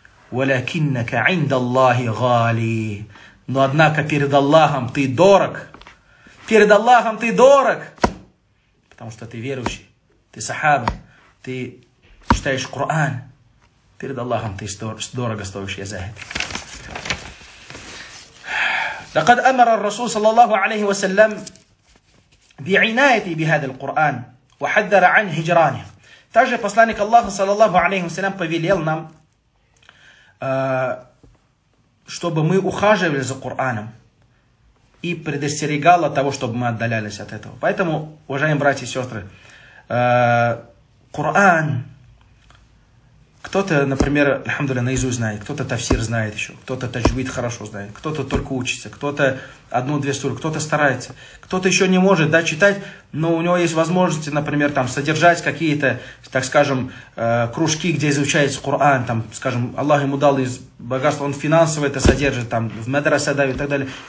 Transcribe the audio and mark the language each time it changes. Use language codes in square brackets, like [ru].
[ar] «Валякиннака инда Аллахи гали». [ru] «Но однако перед Аллахом ты дорог». «Перед Аллахом ты дорог». Потому что ты верующий, ты сахаба, ты читаешь Коран. Перед Аллахом ты дорого стоишь, я Захид. [ar] لقد أمر الرسول صلى الله عليه وسلم بعناية بهذا القرآن وحذر عن هجرانه. [ru] Также посланник Аллаха, саллаллаху алейхи ва саллям, повелел нам, чтобы мы ухаживали за Кораном и предостерегал от того, чтобы мы отдалялись от этого. Поэтому, уважаемые братья и сестры, Коран, кто-то, например, альхамдулиллах, наизусть знает, кто-то тафсир знает еще, кто-то таджвид хорошо знает, кто-то только учится, кто-то одну-две суры, кто-то старается, кто-то еще не может, да, читать, но у него есть возможности, например, там, содержать какие-то, так скажем, кружки, где изучается Коран, там, скажем, Аллах ему дал из богатства, он финансово это содержит, там, в медресе дает и так далее.